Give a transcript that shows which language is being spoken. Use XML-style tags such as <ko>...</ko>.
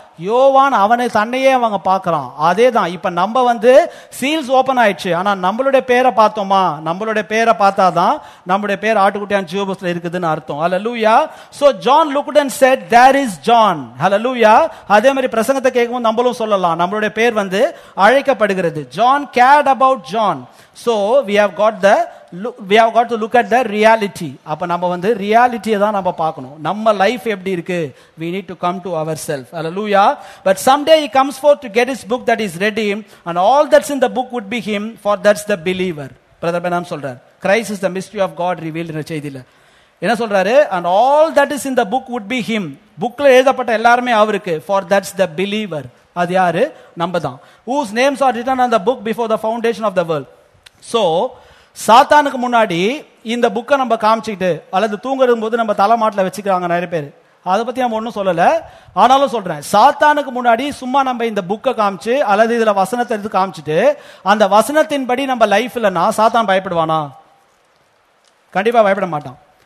<ta>யோவான் அவனை தன்னையே அவங்க பார்க்கறான். அதே தான் இப்ப நம்ம வந்து சீல்ஸ் ஓபன் ஆயிடுச்சு. ஆனா நம்மளுடைய பேரை பார்த்தோமா, நம்மளுடைய பேரை பார்த்தாதான் நம்மளுடைய பேர் ஆட்டுக்குட்டியான ஜீவபுஸ்ல இருக்குதுன்னு அர்த்தம். ஹல்லேலூயா.</ta> <en>So John looked and said there is John.</en> <ta>ஹல்லேலூயா. அதே மாதிரி பிரசங்கத்தை கேட்கும்போது நம்மளும் சொல்லலாம், நம்மளுடைய பேர் வந்து அழைக்கப்படுகிறது.</ta> <en>John cared about John. So we have got to look at the reality.</en> <ta>அப்ப நம்ம வந்து ரியாலிட்டியை தான் நம்ம பார்க்கணும். நம்ம லைஃப் எப்படி இருக்கு,</ta> <en>we need to come to ourselves. Hallelujah. But someday he comes forth to get his book that is ready, and all that's in the book would be him, for that's the believer.</en> <ta>Brother பெனாம் சொல்றார்,</ta> <en>Christ is the mystery of God revealed in the செய்தியில.</en> <ta>என்ன சொல்றாரு,</ta> <en>and all that is in the book would be him.</en> <ta>புக்ல எழுதப்பட்ட எல்லாருமே அவருக்கு,</ta> <en>for that's the believer.</en> <ta>அது யாரு, நம்ம தான்.</ta> <en>Whose names are written on the book before the foundation of the world.</en> <ta>So சாத்தானுக்கு முன்னாடி இந்த புக்கை நம்ம காமிச்சுக்கிட்டு, அல்லது தூங்குறது போது நம்ம தலைமாட்டில் வச்சுக்கிறாங்க நிறைய பேர், அதை பத்தி நம்ம ஒன்றும் சொல்லல. ஆனாலும் சொல்றேன், சாத்தானுக்கு முன்னாடி சும்மா நம்ம இந்த புக்கை காமிச்சு, அல்லது இதுல வசனத்தை எடுத்து காமிச்சுட்டு அந்த வசனத்தின்படி நம்ம லைஃப் இல்லைன்னா சாத்தான் பயப்படுவானா, கண்டிப்பா பயப்பட மாட்டான்.</ta>